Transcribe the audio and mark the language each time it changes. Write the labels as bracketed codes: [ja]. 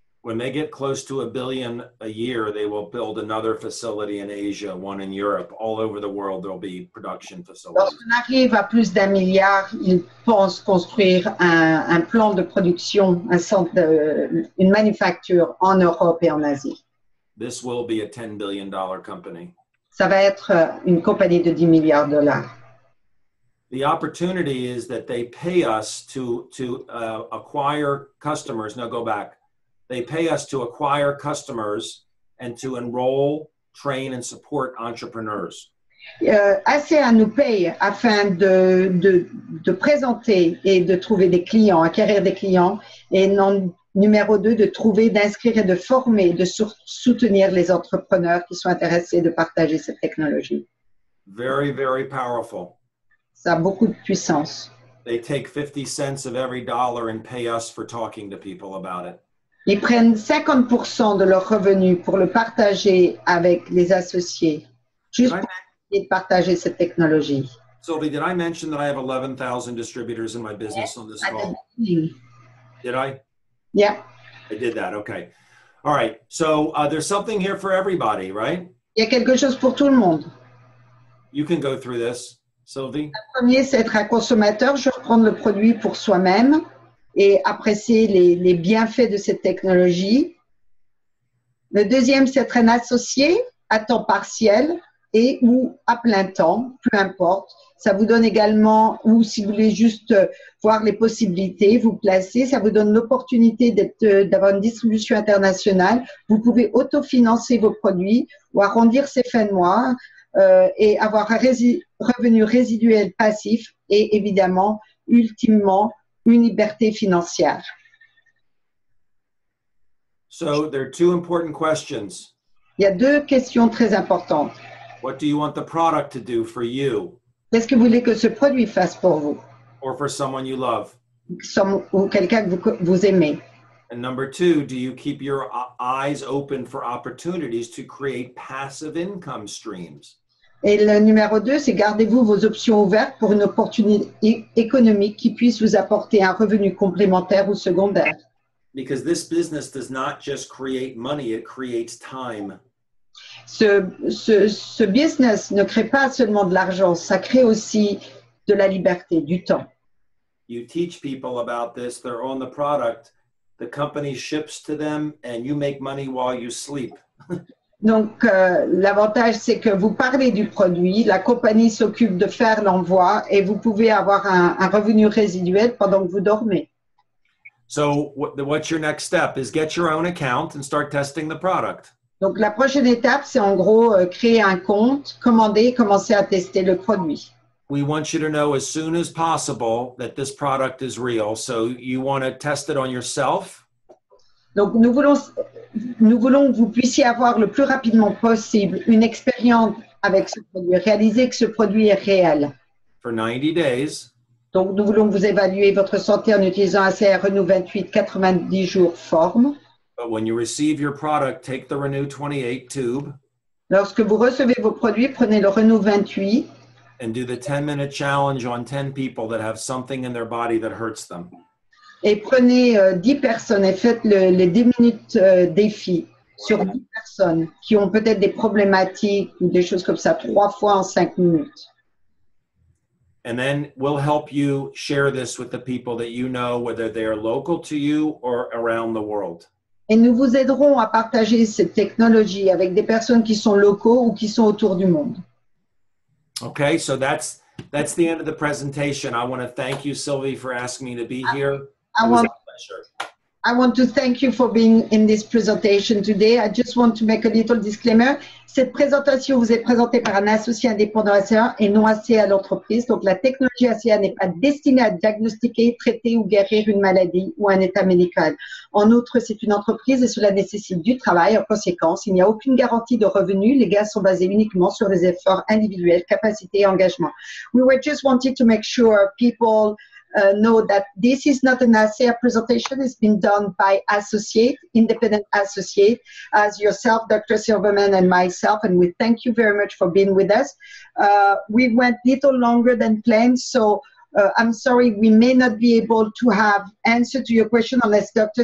[en] When they get close to a billion a year, they will build another facility in Asia, one in Europe. All over the world, there'll be production facilities. [fr] Lorsqu'on arrive à plus d'un milliard, ils pensent construire un plan de production, un centre une manufacture en Europe et en Asie. [en] This will be a $10 billion company. [fr] Ça va être une compagnie de 10 milliards de dollars. [en] The opportunity is that they pay us to acquire customers. Now go back. They pay us to acquire customers and to enroll, train and support entrepreneurs. [fr] ASEA nous paye afin de présenter et de trouver des clients, acquérir des clients et non. Numéro 2, de trouver, d'inscrire et de former, de soutenir les entrepreneurs qui sont intéressés de partager cette technologie. [en] Very, very powerful. [fr] Ça a beaucoup de puissance. [en] They take 50 cents of every dollar and pay us for talking to people about it. [fr] Ils prennent 50% de leurs revenus pour le partager avec les associés, juste pour partager cette technologie. [en] Sylvie, did I mention that I have 11,000 distributors in my business on this call? Did I? Yeah. I did that. Okay. All right. So there's something here for everybody, right? [fr] Il y a quelque chose pour tout le monde. [en] You can go through this, Sylvie. [fr] Le premier, c'est être un consommateur, je reprends le produit pour soi-même et apprécier les bienfaits de cette technologie. Le deuxième, c'est être un associé à temps partiel et ou à plein temps, peu importe. Ça vous donne également, ou si vous voulez juste voir les possibilités, vous placer, ça vous donne l'opportunité d'avoir une distribution internationale. Vous pouvez autofinancer vos produits ou arrondir ses fins de mois et avoir un revenu résiduel passif et évidemment, ultimement, une liberté financière. [en] So, there are two important questions. [fr] Il y a deux questions très importantes. [en] What do you want the product to do for you? [fr] Qu'est-ce que vous voulez que ce produit fasse pour vous? [en] Or for someone you love. [fr] Ou quelqu'un que vous aimez. [en] And number two, do you keep your eyes open for opportunities to create passive income streams? [fr] Et le numéro deux, c'est gardez-vous vos options ouvertes pour une opportunité économique qui puisse vous apporter un revenu complémentaire ou secondaire. [en] Because this business does not just create money, it creates time. [fr] Ce business ne crée pas seulement de l'argent, ça crée aussi de la liberté, du temps. [en] You teach people about this, they're on the product, the company ships to them, and you make money while you sleep. [fr] Donc, l'avantage, c'est que vous parlez du produit, la compagnie s'occupe de faire l'envoi et vous pouvez avoir un revenu résiduel pendant que vous dormez. [en] So, what's your next step? Is get your own account and start testing the product. [fr] Donc, la prochaine étape, c'est en gros créer un compte, commander, commencer à tester le produit. [en] We want you to know as soon as possible that this product is real. So, you want to test it on yourself. [fr] Donc, nous voulons que vous puissiez avoir le plus rapidement possible une expérience avec ce produit, réaliser que ce produit est réel. [en] For 90 days. [fr] Donc, nous voulons vous évaluer votre santé en utilisant ASEA Renew 28 90 jours forme. [en] But when you receive your product, take the Renew 28 tube. [fr] Lorsque vous recevez vos produits, prenez le Renew 28. [en] And do the 10-minute challenge on 10 people that have something in their body that hurts them. [fr] Et prenez 10 personnes et faites le 10 minutes défi sur 10 personnes qui ont peut-être des problématiques ou des choses comme ça 3 fois en 5 minutes. [en] And then we'll help you share this with the people that you know, whether they are local to you or around the world. [fr] Et nous vous aiderons à partager cette technologie avec des personnes qui sont locaux ou qui sont autour du monde. [en] Okay, so that's the end of the presentation. I want to thank you, Sylvie, for asking me to be here. I want to thank you for being in this presentation today. I just want to make a little disclaimer. [fr] Cette présentation vous est présentée par un associé indépendant ASEA et non ASEA à l'entreprise. Donc, la technologie ASEA n'est pas destinée à diagnostiquer, traiter ou guérir une maladie ou un état médical. En outre, c'est une entreprise et cela nécessite du travail. En conséquence, il n'y a aucune garantie de revenus. Les gains sont basés uniquement sur les efforts individuels, capacités et engagement. [en] We were just wanted to make sure people know that this is not an ASEA presentation. It's been done by associate, independent associate, as yourself, Dr. Silverman, and myself. And we thank you very much for being with us. We went a little longer than planned, so I'm sorry we may not be able to have answer to your question unless Dr.